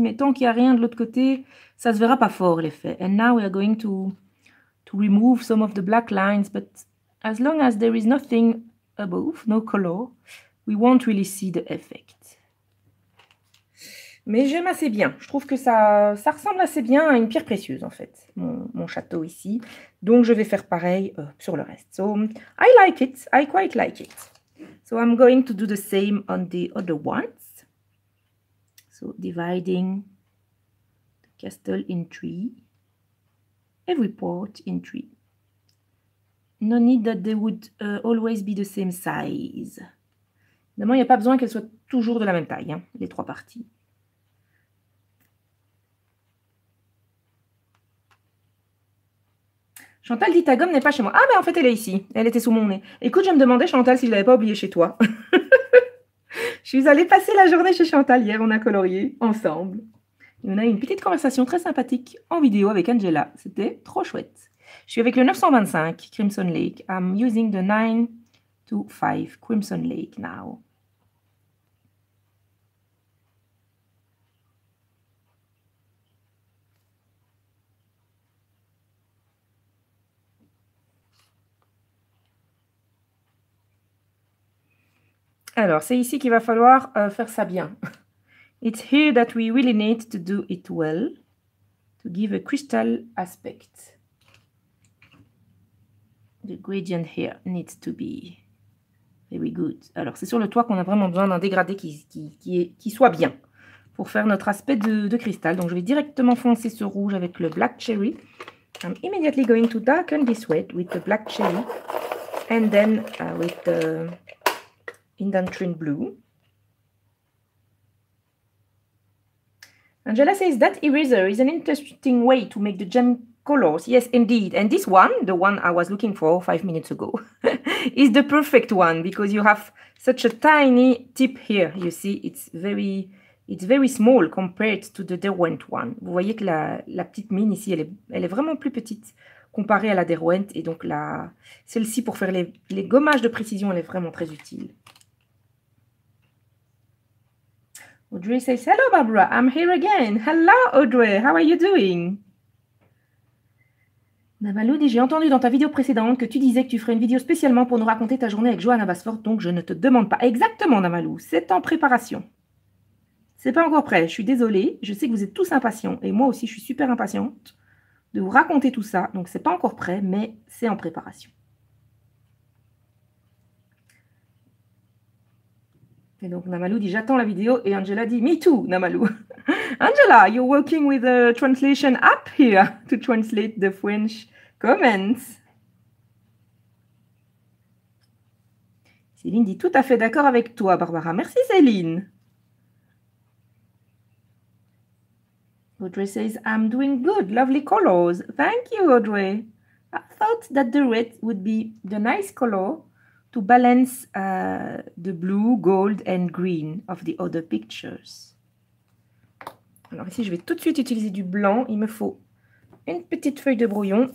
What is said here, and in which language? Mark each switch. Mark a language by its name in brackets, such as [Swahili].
[French] Mais tant qu'il n'y a rien de l'autre côté, ça ne se verra pas fort l'effet. [English] And now we are going to remove some of the black lines. But as long as there is nothing above, no color, we won't really see the effect. [French] Mais j'aime assez bien. Je trouve que ça ressemble assez bien à une pierre précieuse, en fait, mon château ici. Donc, je vais faire pareil sur le reste. [English] So, I like it. I quite like it. So, I'm going to do the same on the other ones. So, dividing the castle in three. Every port in three. No need that they would always be the same size. [French] Évidemment, il n'y a pas besoin qu'elles soient toujours de la même taille, hein, les trois parties. Chantal dit, ta gomme n'est pas chez moi. Ah, mais en fait, elle est ici. Elle était sous mon nez. Écoute, je me demandais, Chantal, si je ne l'avais pas oublié chez toi. Je suis allée passer la journée chez Chantal hier. On a colorié ensemble. Et on a eu une petite conversation très sympathique en vidéo avec Angela. C'était trop chouette. Je suis avec le 925 Crimson Lake. [English] I'm using the 925 Crimson Lake now. [French] Alors, c'est ici qu'il va falloir faire ça bien. [English] It's here that we really need to do it well, to give a crystal aspect. The gradient here needs to be very good. [French] Alors, c'est sur le toit qu'on a vraiment besoin d'un dégradé qui soit bien pour faire notre aspect de cristal. Donc, je vais directement foncer ce rouge avec le black cherry. [English] I'm immediately going to darken this red with the black cherry and then with the Indantrin blue. Angela says that eraser is an interesting way to make the gem colors. Yes, indeed. And this one, the one I was looking for 5 minutes ago, is the perfect one because you have such a tiny tip here. You see, it's very small compared to the Derwent one. [French] Vous voyez que la petite mine ici, elle est vraiment plus petite comparée à la Derwent. Et donc là, celle-ci pour faire les gommages de précision, elle est vraiment très utile. [English] Audrey says, hello Barbara, I'm here again. Hello Audrey, how are you doing? [French] Navalou dit, j'ai entendu dans ta vidéo précédente que tu disais que tu ferais une vidéo spécialement pour nous raconter ta journée avec Johanna Basford, donc je ne te demande pas. Exactement Navalou, c'est en préparation. C'est pas encore prêt, je suis désolée, je sais que vous êtes tous impatients, et moi aussi je suis super impatiente de vous raconter tout ça, donc c'est pas encore prêt, mais c'est en préparation. Et donc Namalou dit j'attends la vidéo et Angela dit [English] me too [French] Namalou. [English] Angela, you're working with a translation app here to translate the French comments. [French] Céline dit tout à fait d'accord avec toi Barbara. Merci Céline. [English] Audrey says I'm doing good, lovely colors. Thank you Audrey. I thought that the red would be the nice color to balance the blue, gold and green of the other pictures. [French] Alors ici, je vais tout de suite utiliser du blanc. Il me faut une petite feuille de brouillon.